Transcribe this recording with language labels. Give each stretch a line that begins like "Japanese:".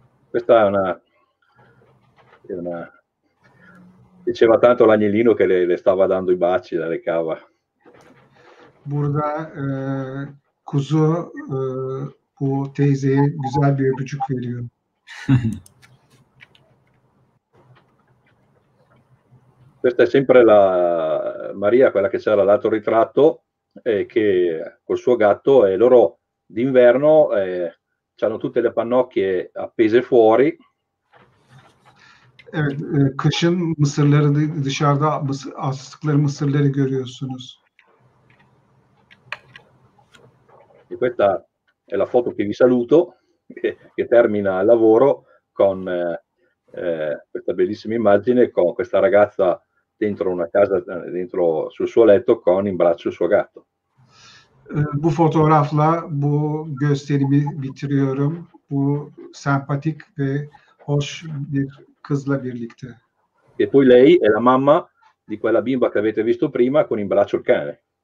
Italian: Questa è una diceva tanto l'agnellino che le stava dando i baci, la recava.
Turkish: Burada kuzu bu teyzeye güzel bir öpücük veriyor.
Italian: Questa è sempre la Maria, quella che c'era l'altro ritratto, che col suo gatto, e loro d'inverno hanno tutte le pannocchie appese fuori.
Turkish: Kışın mısırları dışarıda astıkları mısırları görüyorsunuz.
Italian: E questa è la foto che vi saluto, che termina il lavoro con questa bellissima immagine con questa ragazza dentro una casa, dentro sul suo letto, con in braccio il suo gatto.
Turkish: Bu fotoğrafla bu gösterimi bitiriyorum. Bu sempatik ve hoş bir kızla birlikte.
Italian: E poi lei è la mamma di quella bimba che avete visto prima con in braccio il cane.